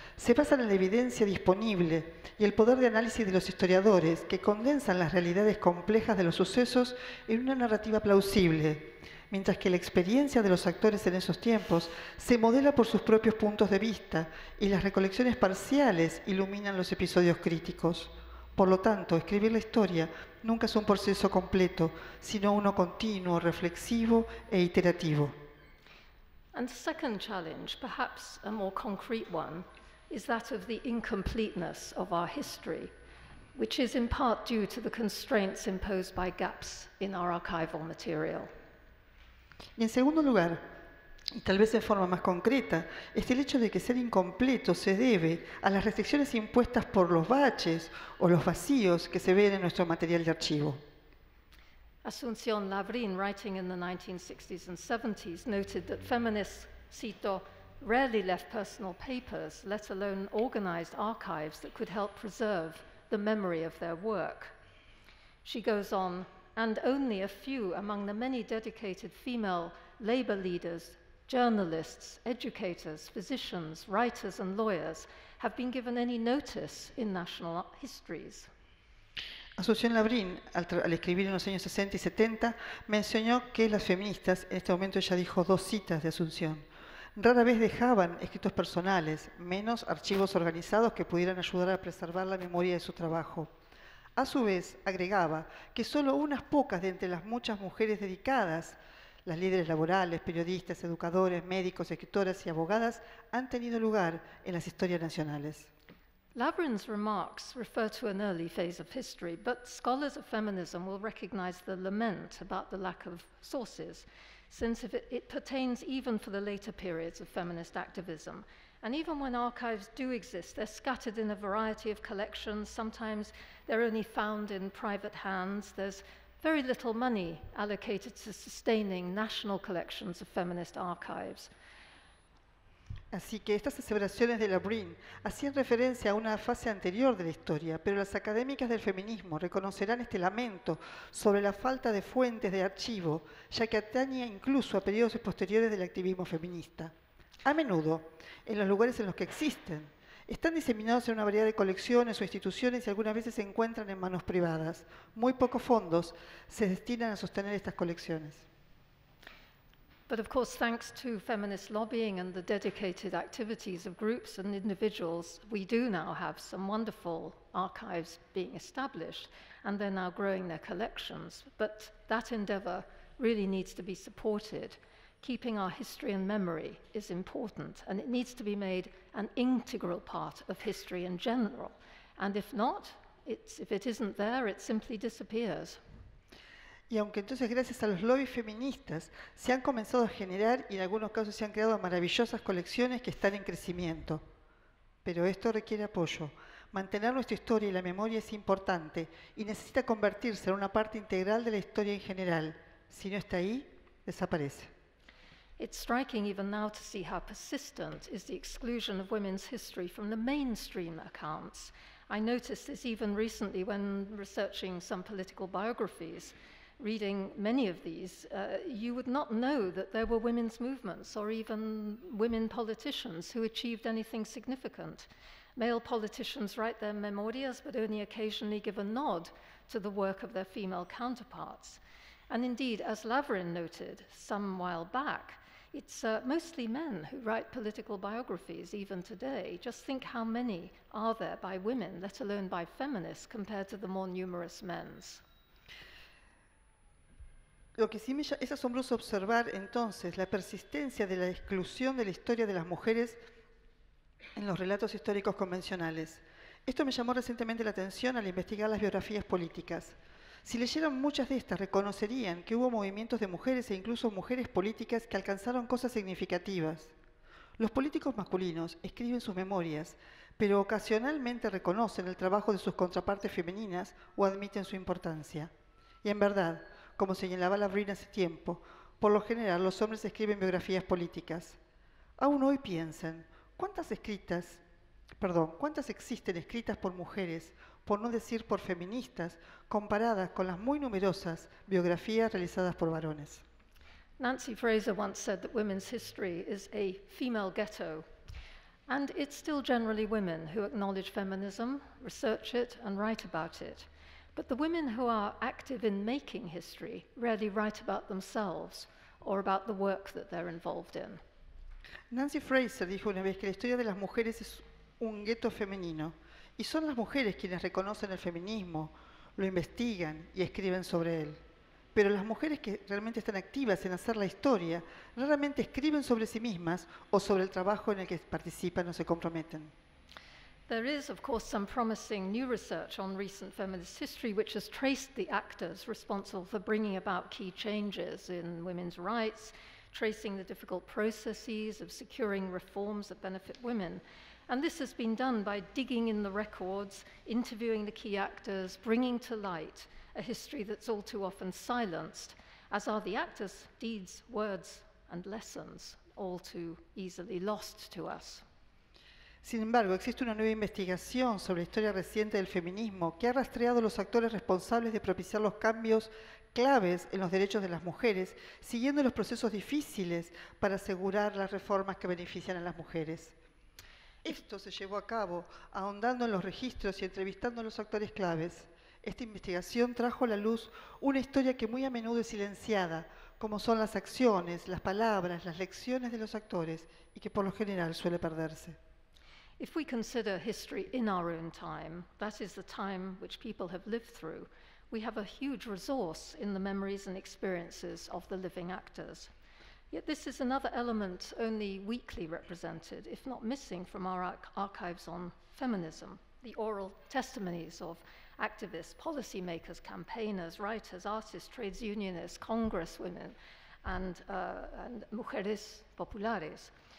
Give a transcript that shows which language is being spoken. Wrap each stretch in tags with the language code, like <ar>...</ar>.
<es>Se basan en la evidencia disponible y el poder de análisis de los historiadores que condensan las realidades complejas de los sucesos en una narrativa plausible, mientras que la experiencia de los actores en esos tiempos se modela por sus propios puntos de vista y las recolecciones parciales iluminan los episodios críticos. Por lo tanto, escribir la historia nunca es un proceso completo, sino uno continuo, reflexivo e iterativo.</es> <en>And the second challenge, perhaps a more concrete one, is that of the incompleteness of our history, which is in part due to the constraints imposed by gaps in our archival material.</en> <es>Y en segundo lugar, y tal vez de forma más concreta, es el hecho de que ser incompleto se debe a las restricciones impuestas por los baches o los vacíos que se ven en nuestro material de archivo.</es> <en>Asunción Lavrin, writing in the 1960s and 70s, noted that feminists,</en> <es>cito,</es> <en>rarely left personal papers, let alone organized archives that could help preserve the memory of their work. She goes on, and only a few among the many dedicated female labor leaders, journalists, educators, physicians, writers, and lawyers have been given any notice in national histories.</en> <es>Asunción Labrín, al escribir en los años 60 y 70, mencionó que las feministas, en este momento ella dijo dos citas de Asunción, rara vez dejaban escritos personales, menos archivos organizados que pudieran ayudar a preservar la memoria de su trabajo. A su vez, agregaba que solo unas pocas de entre las muchas mujeres dedicadas, las líderes laborales, periodistas, educadores, médicos, escritoras y abogadas, han tenido lugar en las historias nacionales.</es> <en>Lavrin's remarks refer to an early phase of history, but scholars of feminism will recognize the lament about the lack of sources, since it pertains even for the later periods of feminist activism. And even when archives do exist, they're scattered in a variety of collections. Sometimes they're only found in private hands. There's very little money allocated to sustaining national collections of feminist archives.</en> <es>Así que estas aseveraciones de Labrin hacían referencia a una fase anterior de la historia, pero las académicas del feminismo reconocerán este lamento sobre la falta de fuentes de archivo, ya que atañe incluso a periodos posteriores del activismo feminista. A menudo, en los lugares en los que existen, están diseminados en una variedad de colecciones o instituciones y algunas veces se encuentran en manos privadas. Muy pocos fondos se destinan a sostener estas colecciones.</es> <en>But of course, thanks to feminist lobbying and the dedicated activities of groups and individuals, we do now have some wonderful archives being established, and they're now growing their collections. But that endeavor really needs to be supported. keeping our history and memory is important, and it needs to be made an integral part of history in general. And if not, if it isn't there, it simply disappears.</en> <es>Y aunque entonces gracias a los lobbies feministas se han comenzado a generar y en algunos casos se han creado maravillosas colecciones que están en crecimiento. Pero esto requiere apoyo. Mantener nuestra historia y la memoria es importante y necesita convertirse en una parte integral de la historia en general. Si no está ahí, desaparece.</es> <en>It's striking even now to see how persistent is the exclusion of women's history from the mainstream accounts. I noticed this even recently when researching some political biographies. Reading many of these, you would not know that there were women's movements or even women politicians who achieved anything significant. Male politicians write their memorias, but only occasionally give a nod to the work of their female counterparts. And indeed, as Lavrin noted some while back, it's mostly men who write political biographies even today. Just think how many are there by women, let alone by feminists, compared to the more numerous men's.</en> <es>Lo que sí es asombroso observar entonces la persistencia de la exclusión de la historia de las mujeres en los relatos históricos convencionales. Esto me llamó recientemente la atención al investigar las biografías políticas. Si leyeran muchas de estas, reconocerían que hubo movimientos de mujeres e incluso mujeres políticas que alcanzaron cosas significativas. Los políticos masculinos escriben sus memorias, pero ocasionalmente reconocen el trabajo de sus contrapartes femeninas o admiten su importancia. Y en verdad, como señalaba Lavrin hace tiempo, por lo general los hombres escriben biografías políticas. Aún hoy piensen, ¿cuántas existen escritas por mujeres, por no decir por feministas, comparadas con las muy numerosas biografías realizadas por varones?</es> <en>Nancy Fraser once said that women's history is a female ghetto. And it's still generally women who acknowledge feminism, research it, and write about it. But the women who are active in making history rarely write about themselves or about the work that they're involved in.</en> <es>Nancy Fraser dijo una vez que la historia de las mujeres es un gueto femenino, y son las mujeres quienes reconocen el feminismo, lo investigan y escriben sobre él. Pero las mujeres que realmente están activas en hacer la historia raramente escriben sobre sí mismas o sobre el trabajo en el que participan o se comprometen.</es> <en>There is, of course, some promising new research on recent feminist history which has traced the actors responsible for bringing about key changes in women's rights, tracing the difficult processes of securing reforms that benefit women. And this has been done by digging in the records, interviewing the key actors, bringing to light a history that's all too often silenced, as are the actors' deeds, words, and lessons, all too easily lost to us.</en> <es>Sin embargo, existe una nueva investigación sobre la historia reciente del feminismo que ha rastreado los actores responsables de propiciar los cambios claves en los derechos de las mujeres, siguiendo los procesos difíciles para asegurar las reformas que benefician a las mujeres. Esto se llevó a cabo ahondando en los registros y entrevistando a los actores claves. Esta investigación trajo a la luz una historia que muy a menudo es silenciada, como son las acciones, las palabras, las lecciones de los actores, y que por lo general suele perderse.</es> <en>If we consider history in our own time, that is the time which people have lived through, we have a huge resource in the memories and experiences of the living actors. Yet this is another element only weakly represented, if not missing, from our archives on feminism, the oral testimonies of activists, policymakers, campaigners, writers, artists, trades unionists, congresswomen, and</en> <es>mujeres populares.</es>